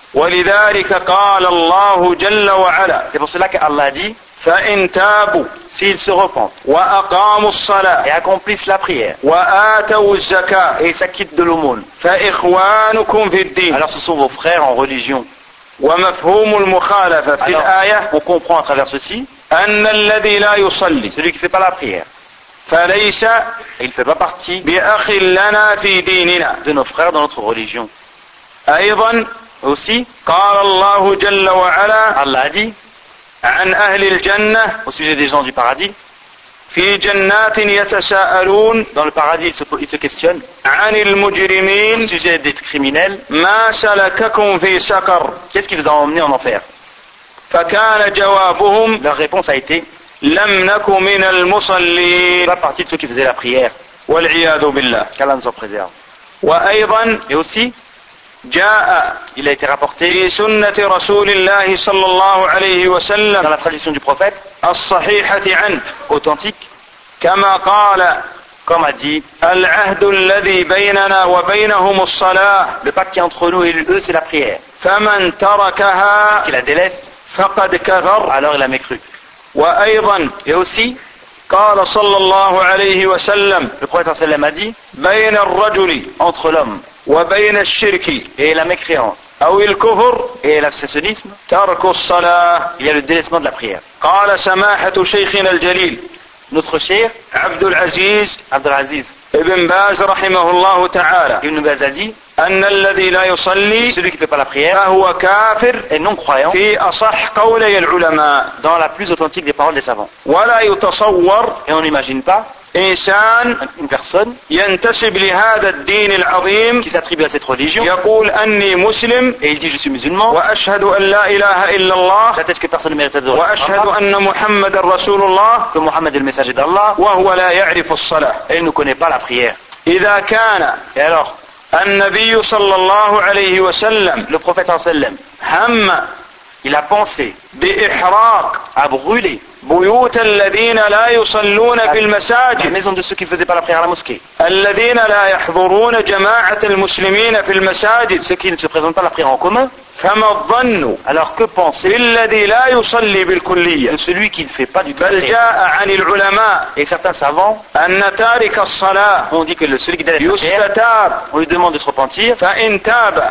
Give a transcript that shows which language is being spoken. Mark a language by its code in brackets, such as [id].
[ar] Wa lidhalika qala Allah jalla wa ala. [fr] C'est pour cela qu'Allah dit. [ar] فإن تابوا [fr] s'ils se repentent [ar] وأقاموا الصلاة [fr] et accomplissent la prière [ar] وآتوا الزكاة [fr] et s'acquittent de l'aumône [ar] فإخوانكم في الدين [fr] alors ce sont vos frères en religion [ar] ومفهوم المخالفة في الآية [fr] on comprend à travers ceci [ar] أن الذي لا يصلي [fr] celui qui ne fait pas la prière [ar] فليس [fr] il ne fait pas partie [ar] بأخ لنا في ديننا [fr] de nos frères dans notre religion [ar] أيضا [fr] aussi [ar] قال الله جل وعلا [fr] Allah a dit [ar] عن أهل الجنة [fr] au sujet des gens du paradis [ar] في جنات يتساءلون [fr] dans le paradis ils se questionnent [ar] عن المجرمين [fr] au sujet des criminels [ar] ما سلككم في سقر [fr] qu'est-ce qui vous a emmené en enfer [ar] فكان جوابهم [fr] leur réponse a été [ar] لم نكن من المصلين [fr] pas partie de ceux qui faisaient la prière [ar] والعياذ بالله [fr] qu'Allah nous en préserve [ar] وأيضا [fr] et aussi [ar] جاء [fr] il a été rapporté [ar] في سنة رسول الله صلى الله عليه وسلم [fr] dans la tradition du prophète [ar] الصحيحة عنه [fr] authentique [ar] كما قال [fr] comme a dit [ar] العهد الذي بيننا وبينهم الصلاة [fr] le pacte entre nous et eux c'est la prière [ar] فمن تركها [fr] qui la délaisse [ar] فقد كفر [fr] alors il a mécru [ar] وأيضا [fr] et aussi [ar] قال صلى الله عليه وسلم [fr] le prophète [ar] صلى الله عليه وسلم [fr] a dit [ar] بين الرجل [fr] entre l'homme [ar] وبين الشرك [fr] et la mécréance [ar] او الكفر [fr] et l'abstentionnisme [ar] ترك الصلاة [fr] il y a le délaissement de la prière [ar] قال سماحة شيخنا الجليل notre شيخ عبد العزيز ابن باز رحمه الله تعالى [fr] ابن باز a dit [ar] ان الذي لا يصلي [fr] celui qui ne fait pas la prière [ar] فهو كافر [fr] et non croyant [ar] في اصح قولي العلماء [fr] dans la plus authentique des paroles des savants [ar] ولا يتصور [fr] et on n'imagine pas [ar] إنسان [fr] une personne [ar] ينتسب لهذا الدين العظيم [fr] qui s'attribue à cette religion [ar] يقول أني مسلم [fr] et il dit je suis musulman [ar] وأشهد أن لا إله إلا الله [fr] j'attends que personne ne mérite de [ar] وأشهد أن محمد رسول الله [fr] que Muhammad est le messager d'Allah [ar] وهو لا يعرف الصلاة [fr] il ne connaît pas la prière [ar] إذا كان [fr] et alors [ar] النبي صلى الله عليه وسلم [fr] le prophète [ar] صلى الله عليه وسلم هم [fr] il a pensé [ar] بإحراق [fr] à brûler [ar] بيوت الذين لا يصلون في المساجد. [fr] La maison de ceux qui ne faisaient pas la prière à la mosquée. [ar] الذين لا يحضرون جماعة المسلمين في المساجد. [fr] Ceux qui ne se présentent pas la prière en commun. [ar] فما الظن؟ [fr] Alors que penser؟ [ar] الذي لا يصلي بالكلية. [fr] De celui qui ne fait pas du tout. [ar] بل جاء عن العلماء. [fr] Et certains savants. [ar] أن تارك الصلاة. [fr] On dit que le celui qui délaisse la prière. [ar] يستتاب. [fr] On lui demande de se repentir. [ar] فإن تاب.